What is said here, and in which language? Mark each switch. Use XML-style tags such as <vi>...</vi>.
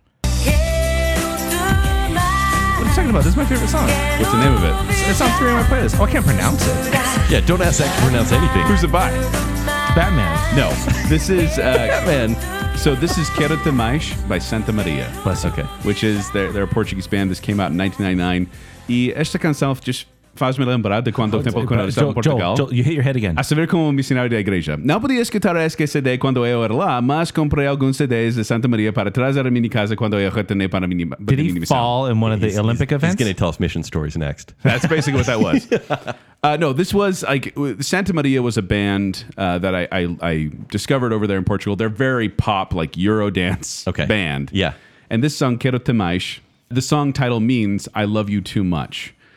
<en>What are you talking about? This is my favorite song. What's the name of it? It's on three on my playlist. Oh, I can't pronounce it. Yeah, don't ask that to pronounce anything. Who's it by? Batman. No, this is... Batman. So this is Quero Te Mais by Santa Maria, okay, which is their Portuguese band. This came out in 1999.</en> <pt>E esta canção just faz me lembrar de quando o tempo quando eu estava em Portugal.</pt> <en>Joel, you hit your head again.</en> <pt>A saber como me ensinaram da igreja. Não podia escutar esse CD quando eu era lá, mas comprei alguns CDs de Santa Maria para trazer a minha casa quando eu retornei para a minha missão.</pt> <en>Did he fall in one of the Olympic events? He's going to tell us mission stories next. That's basically what that was. No, this was like Santa Maria was a band that I discovered over there in Portugal. They're very pop, like Eurodance, okay, band. Yeah. And this song, Quero Te Mais, the song title means I love you too much.</en>